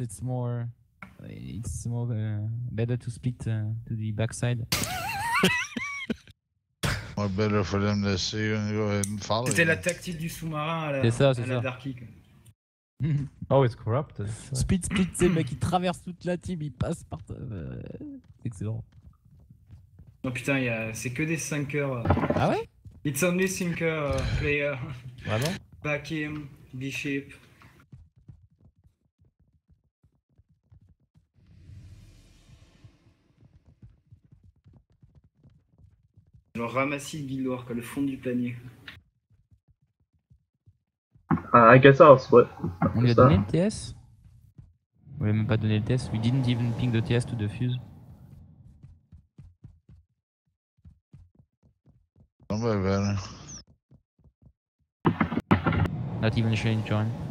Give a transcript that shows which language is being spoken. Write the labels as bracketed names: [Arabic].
[English] It's more better to split to the backside. More better for them to see you and go ahead and follow you. [French] C'était la tactique du sous-marin à la Dark Kick. [English] Oh, it's corrupted. [French] Speed, c'est le mec qui traverse toute la team, il passe par. Excellent. Non, putain, c'est que des 5 heures. Ah ouais? [English] It's only 5 heures player. [French] Vraiment? [English] Back him, Bishop. [French] Genre ramassis de Guild Wars, quoi, le fond du panier. [English] I guess I'll split. [French] On lui a donné le TS? On lui a même pas donné le TS. [English] We didn't even ping the TS to the fuse. Somebody better. Not even showing join.